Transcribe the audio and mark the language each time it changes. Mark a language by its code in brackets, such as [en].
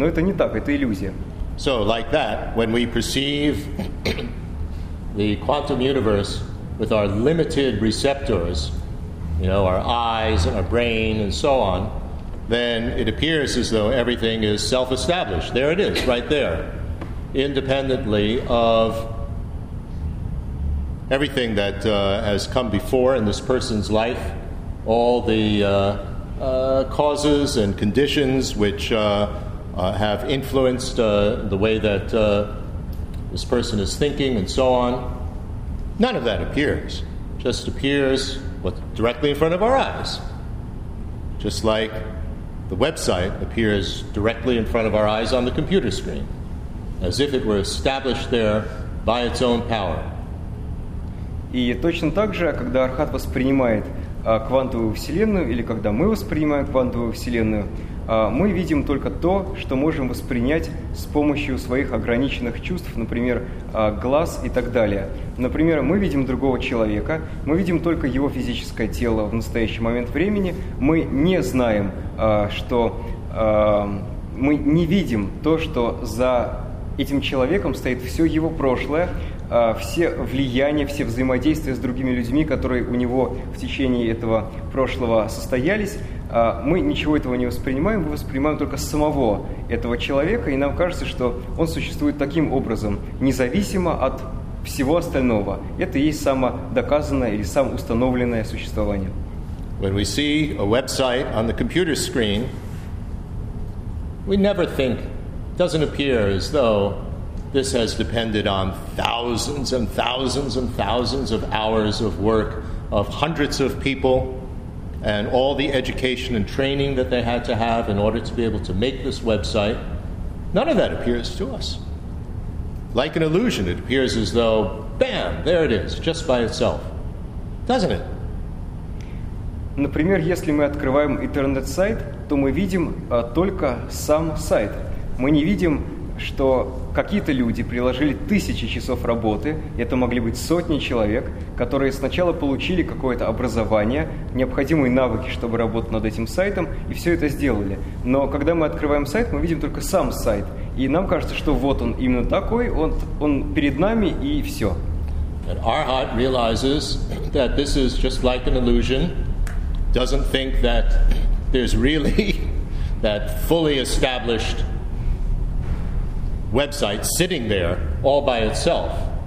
[ru] Но это не так, это иллюзия. [en] So, like that, when we perceive the quantum universe with our limited receptors, you know, our eyes and our brain and so on, then it appears as though everything is self-established. There it is, right there, independently of everything that has come before in this person's life, all the causes and conditions which have influenced the way that this person is thinking and so on. None of that appears. Just appears what's directly in front of our eyes. just like the website appears directly in front of our eyes on the computer screen, as if it were established there by its own power. [ru] И точно так же, когда Архат воспринимает квантовую вселенную, или когда мы воспринимаем квантовую вселенную, мы видим только то, что можем воспринять с помощью своих ограниченных чувств, например, глаз и так далее. Например, мы видим другого человека, мы видим только его физическое тело в настоящий момент времени, мы не знаем, что мы не видим то, что за этим человеком стоит все его прошлое, все влияния, все взаимодействия с другими людьми, которые у него в течение этого прошлого состоялись, мы ничего этого не воспринимаем, мы воспринимаем только самого этого человека, и нам кажется, что он существует таким образом, независимо от всего остального. Это и есть самодоказанное или самоустановленное существование. [en] When we see a website on the computer screen, we never think, doesn't appear as though this has depended on thousands and thousands and thousands of hours of work of hundreds of people and all the education and training that they had to have in order to be able to make this website. None of that appears to us. Like an illusion, it appears as though, bam, there it is, just by itself. Doesn't it? [ru] Например, если мы открываем интернет-сайт, то мы видим только сам сайт. Мы не видим, что какие-то люди приложили тысячи часов работы, это могли быть сотни человек, которые сначала получили какое-то образование, необходимые навыки, чтобы работать над этим сайтом, и все это сделали. Но когда мы открываем сайт, мы видим только сам сайт. И нам кажется, что вот он именно такой, он перед нами, и все. [en] And Arhat realizes that this is just like an illusion, doesn't think that there's really that fully established website sitting there all by itself.